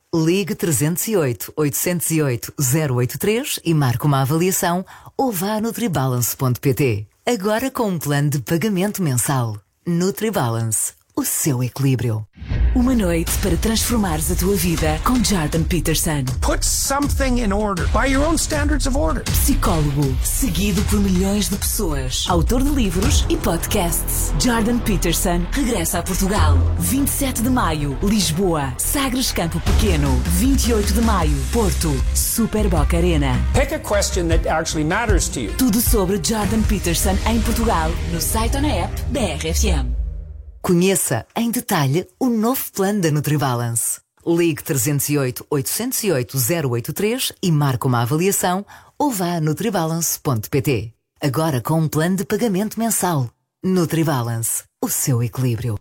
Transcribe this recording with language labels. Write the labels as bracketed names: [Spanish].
[Portuguese] Ligue 308-808-083 e marque uma avaliação ou vá a NutriBalance.pt. Agora com um plano de pagamento mensal. NutriBalance. O seu equilíbrio. Uma noite para transformares a tua vida com Jordan Peterson. [English] Put something in order by your own standards of order. [Portuguese] Psicólogo, seguido por milhões de pessoas, autor de livros e podcasts. Jordan Peterson regressa a Portugal. 27 de maio, Lisboa, Sagres Campo Pequeno. 28 de maio, Porto, Super Boca Arena. [English] Pick a question that actually matters to you. [Portuguese] Tudo sobre Jordan Peterson em Portugal, no site ou na app da RFM. Conheça em detalhe o novo plano da NutriBalance. Ligue 308-808-083 e marque uma avaliação ou vá a NutriBalance.pt. Agora com um plano de pagamento mensal. NutriBalance. O seu equilíbrio.